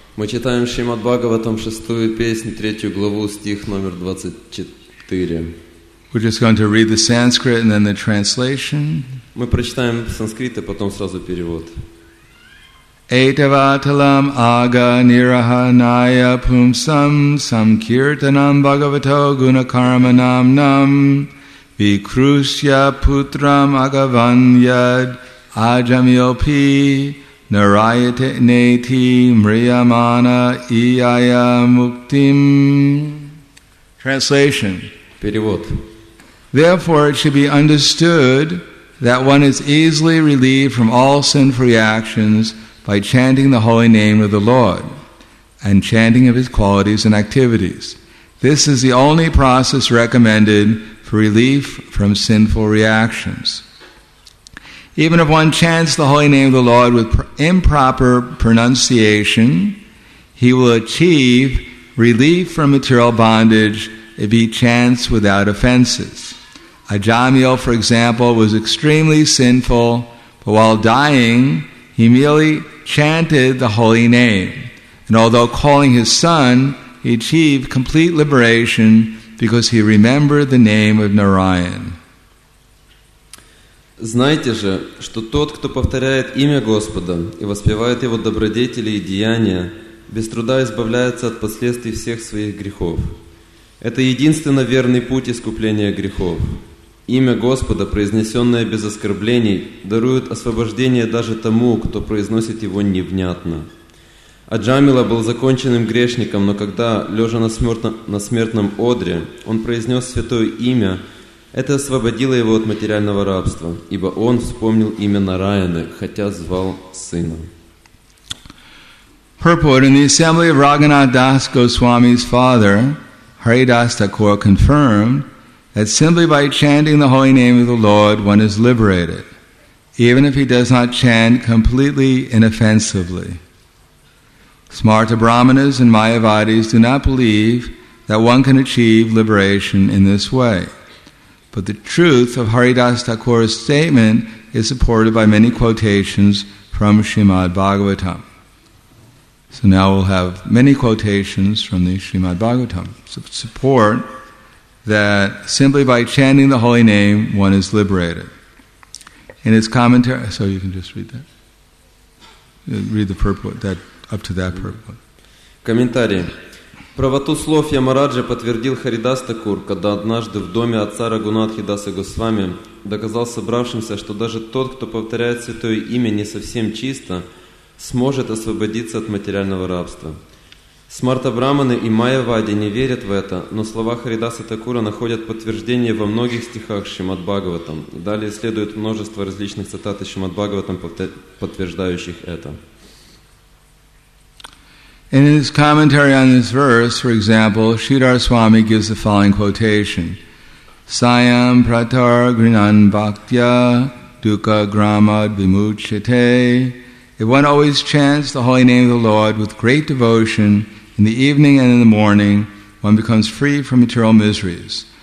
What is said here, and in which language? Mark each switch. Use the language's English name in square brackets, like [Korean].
[Russian] Мы читаем Шримад Бхагаватам шестую песню, третью главу, стих номер 24. [English] We're just going to read the Sanskrit and then the translation. [Russian] Мы прочитаем санскрит и потом сразу перевод. [Sanskrit] Этаваталам ага нираха ная пумсам самкиртанам бхагавато гунакарманам нам викрусья путрам агаваньяд аджамьопи Narayate neti mriyamana iaya muktim. [English] Translation. [Russian] Перевод. [English] Therefore, it should be understood that one is easily relieved from all sinful reactions by chanting the holy name of the Lord and chanting of his qualities and activities. This is the only process recommended for relief from sinful reactions. Even if one chants the holy name of the Lord with improper pronunciation, he will achieve relief from material bondage if he chants without offenses. Ajamil, for example, was extremely sinful, but while dying, he merely chanted the holy name. And although calling his son, he achieved complete liberation because he remembered the name of Narayan. [Russian] Знайте же, что тот, кто повторяет имя Господа и воспевает его добродетели и деяния, без труда избавляется от последствий всех своих грехов. Это единственно верный путь искупления грехов. Имя Господа, произнесенное без оскорблений, дарует освобождение даже тому, кто произносит его невнятно. Аджамила был законченным грешником, но когда, лежа на смертном одре, он произнес святое имя, это освободило его от материального рабства, ибо он вспомнил имя Нараяны, хотя звал сына. [English] Purport. In the assembly of Raghunath Das Goswami's father, Haridas Thakur confirmed that simply by chanting the holy name of the Lord, one is liberated, even if he does not chant completely inoffensively. Smarta Brahmanas and Mayavadis do not believe that one can achieve liberation in this way. But the truth of Haridas Thakura's statement is supported by many quotations from Srimad Bhagavatam. So now we'll have many quotations from the Srimad Bhagavatam to support that simply by chanting the holy name, one is liberated. In its commentary, so you can just read that. Read the purport, that up to that purport. [Russian] Комментарий. Правоту слов Ямараджа подтвердил Харидас Такур, когда однажды в доме отца Рагунатхи Даса Госвами доказал собравшимся, что даже тот, кто повторяет святое имя не совсем чисто, сможет освободиться от материального рабства. Смарта-брахманы и майя-вади не верят в это, но слова Харидаса Такура находят подтверждение во многих стихах Шримад-Бхагаватам. Далее следует множество различных цитат из Шримад-Бхагаватам, подтверждающих это. [English] In his commentary on this verse, for example, Sridhar Swami gives the following quotation. [Sanskrit] Sayam pratar grinan bhaktya dukkha gramad vimuchate. [English] If one always chants the holy name of the Lord with great devotion in the evening and in the morning, one becomes free from material miseries.